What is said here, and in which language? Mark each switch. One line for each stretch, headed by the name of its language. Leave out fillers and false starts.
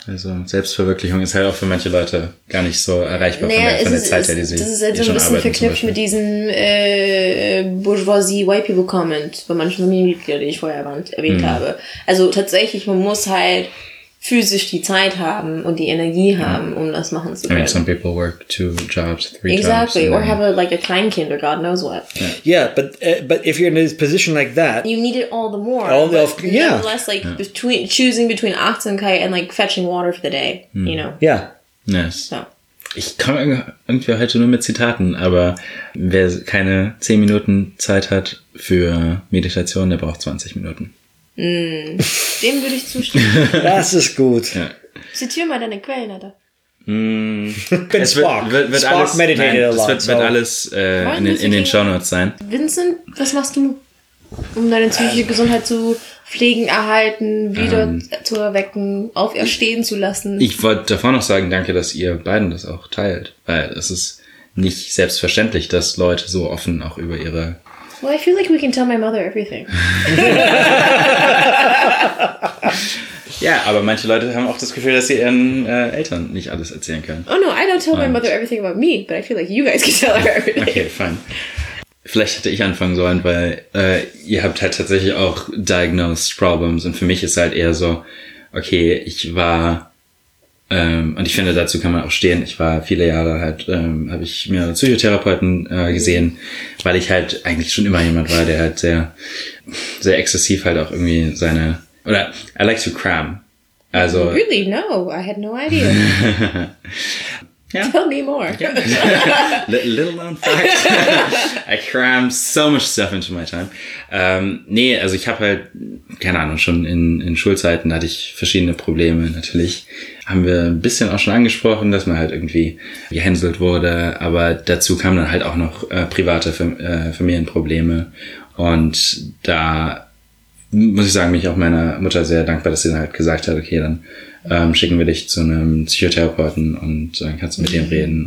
German: Also Selbstverwirklichung ist halt auch für manche Leute gar nicht so erreichbar von der Zeit her, die sie schon arbeiten. Das ist halt so ein bisschen verknüpft mit diesem
English: Bourgeoisie White People Comment
German: bei manchen Familienmitgliedern, die ich vorher erwähnt habe. Also tatsächlich, man muss halt physisch die Zeit haben und die Energie haben, um das machen zu können.
English: I mean, some people work two jobs, three exactly. jobs. Exactly, or have a Kleinkind or God knows what. Yeah, but if you're in a position like that, you need it all the more. Nevertheless, like, yeah. choosing between Achtsamkeit and like fetching water for the day, you know? Yeah. Nice. So.
German: Ich komme irgendwie heute nur mit Zitaten, aber wer keine 10 Minuten Zeit hat für Meditation, der braucht 20 Minuten. Dem würde ich zustimmen. Das ist gut. Ja. Zitiere mal deine Quellen, Alter. Es wird alles in den Shownotes sein. Vincent, was machst du, um deine psychische Gesundheit zu Pflegen erhalten, wieder zu erwecken, auferstehen zu lassen. Ich wollte davor noch sagen, danke, dass ihr beiden das auch teilt, weil es ist nicht selbstverständlich, dass Leute so offen auch über ihre...
English: Well, I feel like we can tell my mother everything.
German: Ja, aber manche Leute haben auch das Gefühl, dass sie ihren Eltern nicht alles erzählen können.
English: Oh no, I don't tell my mother everything about me, but I feel like you guys can tell her everything. Okay, fine.
German: Vielleicht hätte ich anfangen sollen, weil ihr habt halt tatsächlich auch
English: diagnosed problems
German: und für mich ist halt eher so, okay, ich war, und ich finde, dazu kann man auch stehen, ich war viele Jahre halt, habe ich mehrere Psychotherapeuten gesehen, weil ich halt eigentlich schon immer jemand war, der halt sehr, sehr exzessiv halt auch irgendwie seine, oder
English: I like to cram.
German: Also,
English: really? No, I had no idea. Yeah. Tell me more. Yeah. Little known fact. I crammed so much stuff into my time.
German: Nee, also ich habe halt, keine Ahnung, schon in Schulzeiten hatte ich verschiedene Probleme. Natürlich haben wir ein bisschen auch schon angesprochen, dass man halt irgendwie gehänselt wurde. Aber dazu kamen dann halt auch noch private Familienprobleme. Und da muss ich sagen, bin ich auch meiner Mutter sehr dankbar, dass sie dann halt gesagt hat, okay, dann schicken wir dich zu einem Psychotherapeuten und dann kannst du mit dem reden.